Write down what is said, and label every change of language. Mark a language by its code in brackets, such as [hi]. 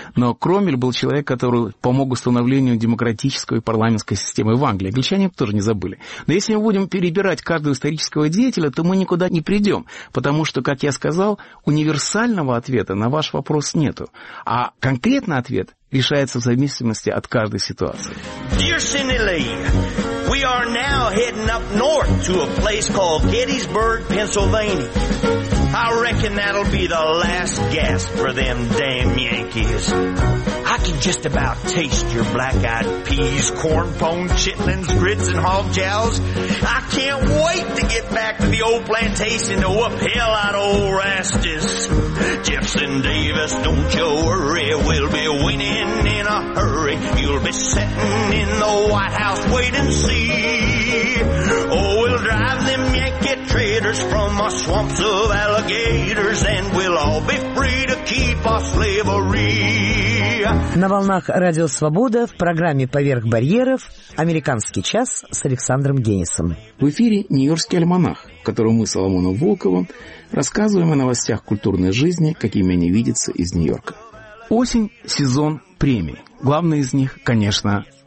[ru] Но Кромвель был человек, который помог установлению демократической парламентской системы в Англии. Англичане тоже не забыли. Но если мы будем перебирать каждого исторического деятеля, то мы никуда не придем, потому что, как я сказал, универсального ответа на ваш вопрос нету, а конкретный ответ решается в зависимости от каждой ситуации. [en] Dear Cindy Lee, we are now heading up north to a place called Gettysburg, Pennsylvania. I reckon that'll be the last gasp for them damn Yankees. I can just about taste your black-eyed peas, corn pone, chitlins, grits, and hog jowls. I can't wait to get back to the old plantation to whoop hell out of old Rastus. Jefferson Davis, don't you worry, we'll be winning in a hurry. You'll be sitting in the White House, wait and see. Oh, we'll drive them Yankee traitors from our swamps of alligators, and we'll all be free to keep our slavery. [ru] На волнах «Радио Свобода» в программе «Поверх барьеров» «Американский час» с Александром Генисом. В эфире «Нью-Йоркский альманах», в котором мы с Соломоном Волковым рассказываем о новостях культурной жизни, какими они видятся из Нью-Йорка. Осень – сезон премий. Главный из них, конечно,